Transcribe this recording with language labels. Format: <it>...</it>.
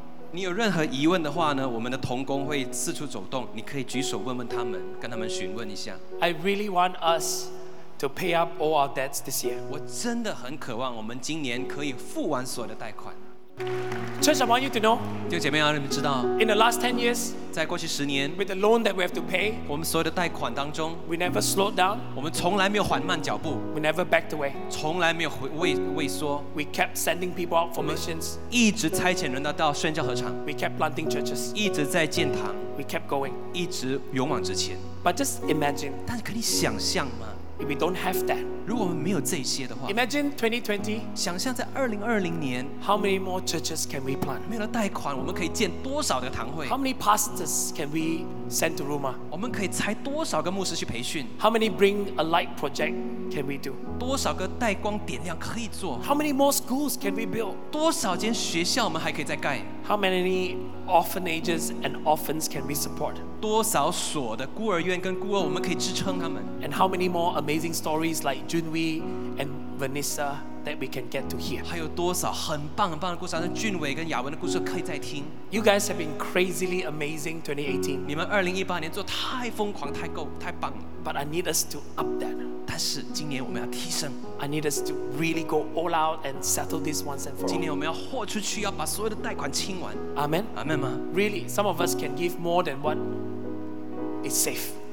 <zh>你有任何疑问的话呢，我们的同工会四处走动，你可以举手问问他们，跟他们询问一下。</zh> <en>I really want us to pay up all our debts this year.</en> <zh>我真的很渴望我们今年可以付完所有的贷款。</zh> <en>Church, I want you to know.</en> <zh>弟兄姐妹啊，你们知道。</zh> <en>In the last 10 years.</en> <zh>在过去10年。</zh> <en>With the loan that we have to pay.</en> <zh>我们所有的贷款当中。</zh> <en>We never slowed down.</en> <zh>我们从来没有缓慢脚步。</zh> <en>We never backed away.</en> <zh>从来没有畏缩。</zh> <en>We kept sending people out for missions.</en> <zh>一直差遣人到宣教合场。</zh> <en>We kept planting churches.</en> <zh>一直在建堂。</zh> <en>We kept going.</en> <zh>一直勇往直前。</zh> <en>But just imagine.</en> <zh>但可以想象吗？</zh> <en>If we don't have that.</en> <zh>如果我们没有这些的话,</zh> <en>imagine 2020.</en> <zh>想象在2020年,</zh> <en>how many more churches can we plant?</en> <zh>没有了贷款我们可以建多少的堂会?</zh> <en>How many pastors can we send to Roma?</en> <zh>我们可以拆多少个牧师去培训?</zh> <en>How many bring a light project can we do?</en> <zh>多少个带光点亮可以做?</zh> <en>How many more schools can we build?</en> <zh>多少间学校我们还可以再盖?</zh> <en>How many orphanages and orphans can we support?</en> <zh>多少所的孤儿院跟孤儿我们可以支撑他们?</zh> <en>And how many more amazing stories like Junwei and Vanessa that we can get to hear?</en> <zh>还有多少很棒很棒的故事，像俊伟跟雅文的故事可以再听？</zh> <en>You guys have been crazily amazing 2018.</en> <zh>你们2018年做太疯狂太够太棒了。</zh> <en>But I need us to up that.</en> <zh>但是今年我们要提升。</zh> <en>I need us to really go all out and settle this once and for all.</en> <zh>今年我们要豁出去，要把所有的贷款清完。</zh> <en>Amen.</en> <zh>Amen 吗？</zh> <en>Really, some of us can give more than what is safe.</en>